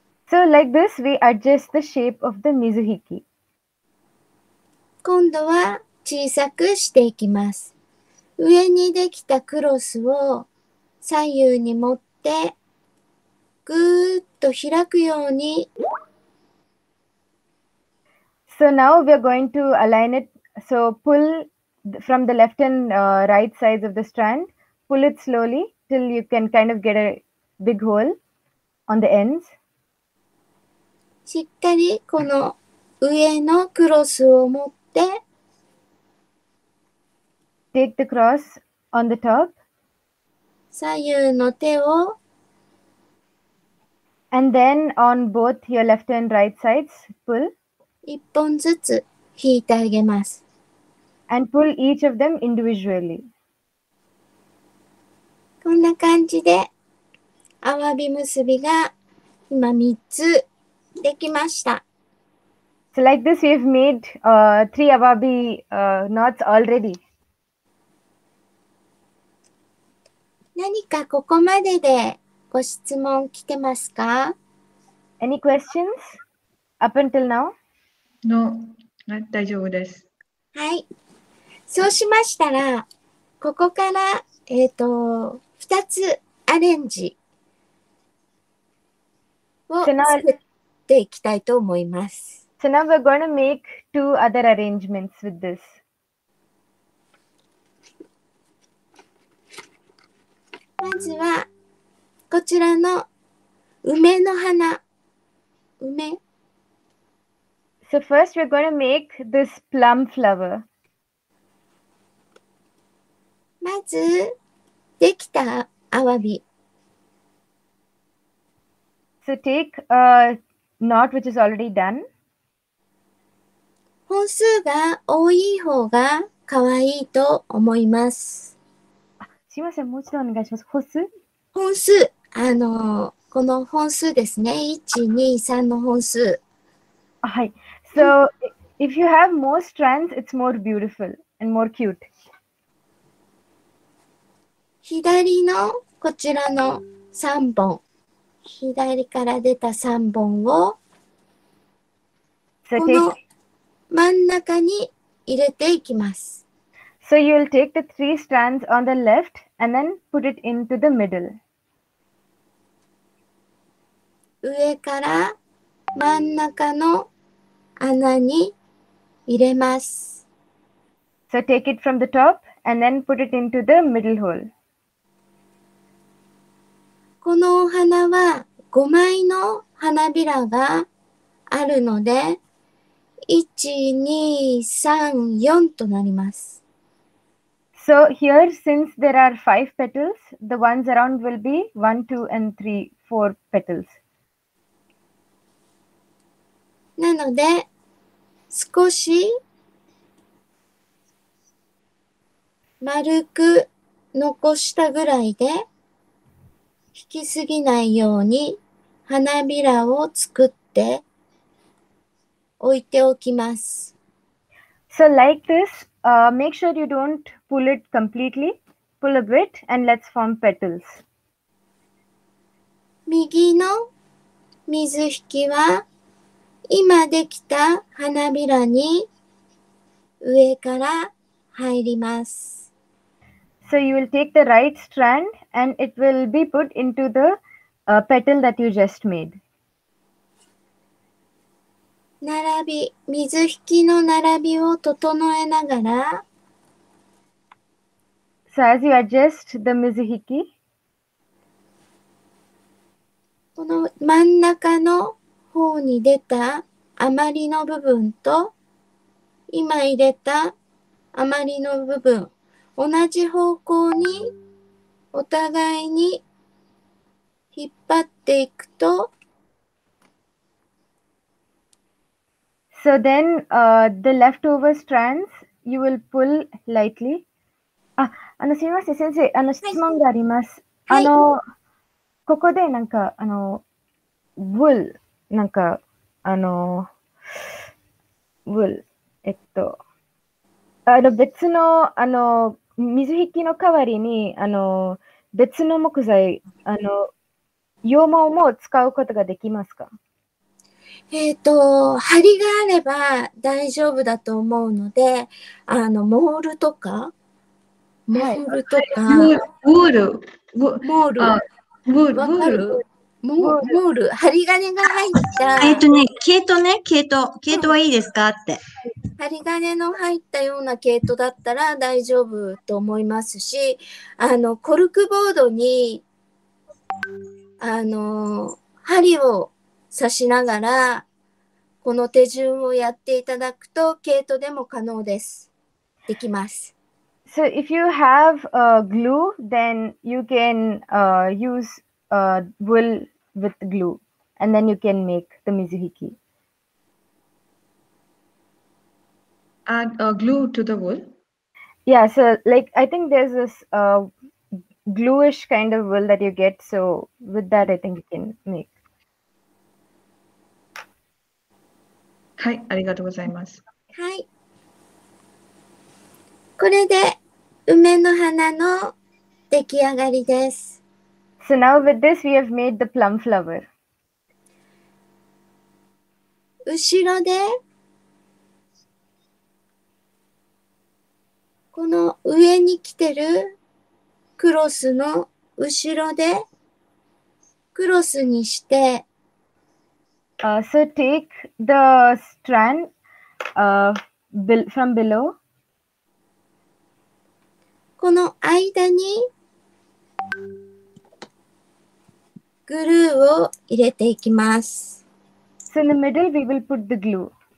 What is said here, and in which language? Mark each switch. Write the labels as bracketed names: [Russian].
[English] So like this, we adjust the shape of the mizuhiki. [Japanese] 今度は小さくしていきます。上にできたクロスを左右に持って、ぐーっと開くように。 [English] So now we are going to align it. So pull from the left and right sides of the strand. Pull it slowly till you can kind of get a big hole on the ends. [Japanese] しっかりこの上のクロスを持って [English] Take the cross on the top [Japanese] 左右の手を [English] And then on both your left and right sides, pull [Japanese] 一本ずつ引いてあげます [English] And pull each of them individually [Japanese] こんな感じでアワビ結びが今3つできました。 [English] So like this, you've made three awabi knots already. [Japanese] 何かここまででご質問来てますか [English] ？Any questions up until now? No, [Japanese] 大丈夫です。はい。そうしましたら、ここから2つアレンジを作っていきたいと思います。 [English] So now we're going to make two other arrangements with this. [Japanese] まずはこちらの梅の花。梅。 [English] So first we're going to make this plum flower. [Japanese] まずできたアワビ。 [English] So take a knot which is already done. [Japanese] 本数が多い方が可愛いと思います。すいません、もう一度お願いします。本数？本数、この本数ですね。 1、2、3の本数。はい。 [English] So, if you have more strands, it's more beautiful and more cute. [Japanese] 左のこちらの3本。左から出た3本をこの真ん中に入れていきます。 [English] So you'll take the three strands on the left and then put it into the middle. [Japanese] 上から真ん中の穴に入れます。 [English] So take it from the top and then put it into the middle hole. [Japanese] このお花は5枚の花びらがあるので、1、2、3、4となります。 [English] So here, since there are 5 petals, the ones around will be 1, 2 and 3, 4 petals. [Japanese] なので、少し丸く残したぐらいで、引きすぎないように、花びらを作って置いておきます。 [English] So like this, make sure you don't pull it completely. Pull a bit and let's form petals. [Japanese] 右の水引きは今できた花びらに上から入ります。 [English] So you will take the right strand and it will be put into the petal that you just made. [Japanese] 並び、水引きの並びを整えながら。 [English] So as you adjust the 水引き、 [Japanese] この真ん中の方に出た余りの部分と今入れた余りの部分、同じ方向にお互いに引っ張っていくと。 [English] So then, the leftover strands, you will pull lightly. [Japanese] すみません、先生、質問があります。はい、ここでなんか、wool、なんか、wool、別の、水引きの代わりに、別の木材、羊毛も使うことができますか？針があれば大丈夫だと思うので、モールとか、モールとか、はい、ウール、モール、ウール、わかる？モール、針金が入った、毛糸はいいですかって、うん、針金の入ったような毛糸だったら大丈夫と思いますし、コルクボードに針を刺しながらこの手順をやっていただくと毛糸でも可能です。できます。 [English] So if you have a glue, then you can use wool with glue, and then you can make the 水引き。 Add a glue to the wool? Yeah. So like I think there's this glueish kind of wool that you get. So with that, I think you can make. [Japanese] はい、ありがとうございます。はい。これで梅の花の出来上がりです。 [English] So now with this we have made the plum flower. [Japanese] 後ろでこの上に来てるクロスの後ろでクロスにして [English] So take the strand from below. [Japanese] この間にグルーを入れていきます。 [English] So in the middle, we will put the glue.